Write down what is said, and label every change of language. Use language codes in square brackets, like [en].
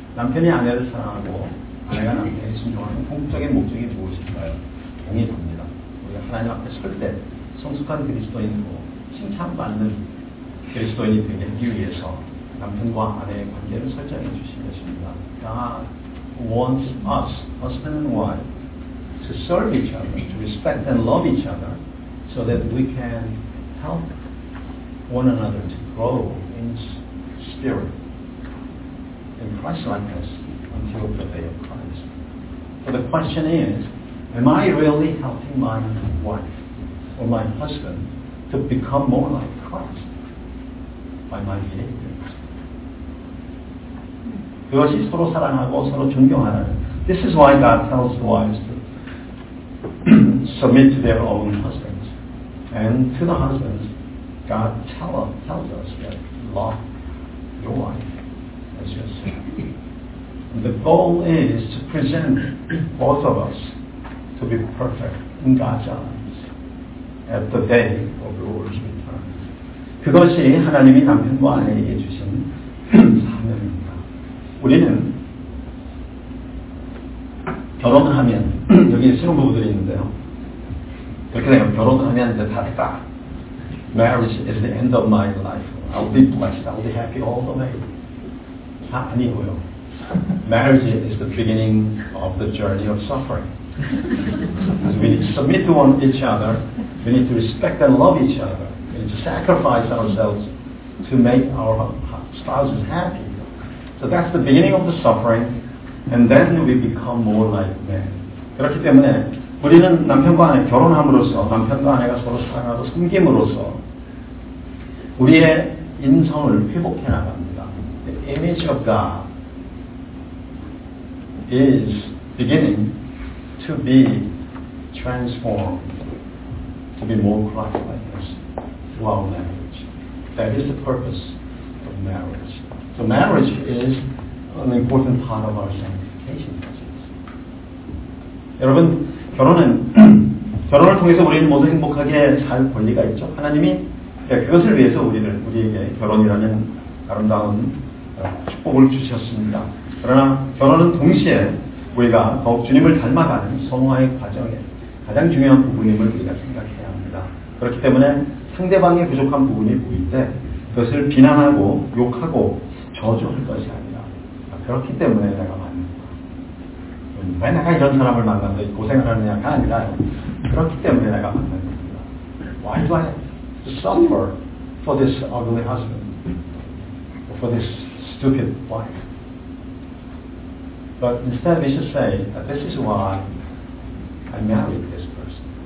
[ko] 남편이 아내를 사랑하고 아내가 남편에게 순종하는 궁극적인 목적이 무엇일까요? 동의합니다. 우리가 하나님 앞에 설 때 성숙한 그리스도인으로 칭찬받는 그리스도인이 되게 하기 위해서 남편과 아내의 관계를 설정해 주신 것입니다. [en] God wants us, husband and wife, to serve each other, to respect and love each other, so that we can help one another to grow in spirit in Christ-likeness until the day of Christ. So the question is, am I really helping my wife or my husband to become more like Christ by my behaviors? [ko] 그것이 서로 사랑하고 서로 존경하라는. [en] This is why God tells the wives to submit to their own husbands. And to the husbands, God tells us that love your wife as yourself. And the goal is to present both of us to be perfect in God's eyes at the day of the Lord's return. [ko] 그것이 하나님이 남편과 아내에게 주신 사명입니다. 우리는 결혼을 하면, 여기 신혼부부들이 있는데요. 그렇게 되면 결혼을 하면 이제 다 됐다. [en] Marriage is the end of my life. I'll be blessed. I'll be happy all the way. [ko] 다 아니고요. [en] Marriage is the beginning of the journey of suffering. Because we need to submit to one each other. We need to respect and love each other. We need to sacrifice ourselves to make our spouses happy. So that's the beginning of the suffering. And then we become more like men. [ko] 그렇기 때문에 우리는 남편과 아내 결혼함으로써 남편과 아내가 서로 사랑하고 섬김으로써 우리의 인성을 회복해 나갑니다. [en] The image of God is beginning to be transformed to be more Christ-like through our marriage. That is the purpose of marriage. So marriage is an important part of our sanctification process. [ko] 여러분, 결혼은 결혼을 통해서 우리는 모두 행복하게 살 권리가 있죠. 하나님이 그것을 위해서 우리를 우리에게 결혼이라는 아름다운 축복을 주셨습니다. 그러나 결혼은 동시에 우리가 더욱 주님을 닮아가는 성화의 과정에 가장 중요한 부분임을 우리가 생각해야 합니다. 그렇기 때문에 상대방의 부족한 부분이 보이는데 그것을 비난하고 욕하고 저주할 것이 아니라 그렇기 때문에 내가 왜 내가 이런 사람을 만나서 고생을 하느냐가 아니라 그렇기 때문에 내가 만난 겁니다. [en] Why do I have to suffer for this ugly husband? For this stupid wife? But instead we should say that this is why I married this person.